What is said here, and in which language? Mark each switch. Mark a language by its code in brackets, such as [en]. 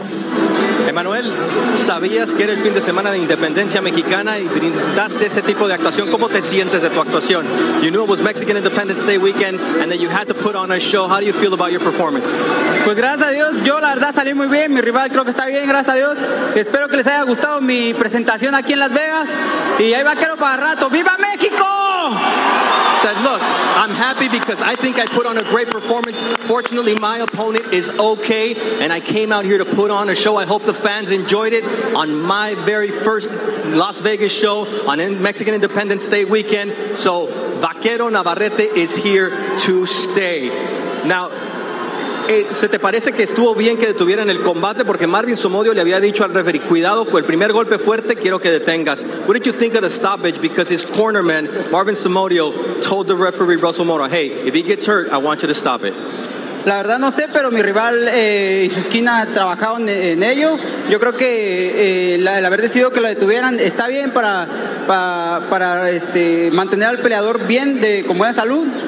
[es] Emanuel, sabías que era el fin de semana de Independencia Mexicana y brindaste ese tipo de actuación. ¿Cómo te sientes de tu actuación? [en] You knew it was Mexican Independence Day weekend and that you had to put on a show. How do you feel about your performance? [es] Pues gracias a Dios, yo la verdad salí muy bien. Mi rival creo que está bien, gracias a Dios. Espero que les haya gustado mi presentación aquí en Las Vegas. Y ahí va quiero para rato. ¡Viva México! [en] Said, look, I'm happy because I think I put on a great performance. Fortunately, my opponent is okay, and I came out here to put on a show. I hope the fans enjoyed it on my very first Las Vegas show on Mexican Independence Day weekend. So, Vaquero Navarrete is here to stay. Now, [es] ¿Se te parece que estuvo bien que detuvieran el combate? Porque Marvin Somodio le había dicho al referee, cuidado, con el primer golpe fuerte quiero que detengas. [en] What did you think of the stoppage? Because his cornerman, Marvin Somodio, told the referee, Russell Mora, hey, if he gets hurt, I want you to stop it. [es] La verdad no sé, pero mi rival y su esquina trabajaron en ello. Yo creo que el haber decidido que lo detuvieran está bien para mantener al peleador bien, con buena salud.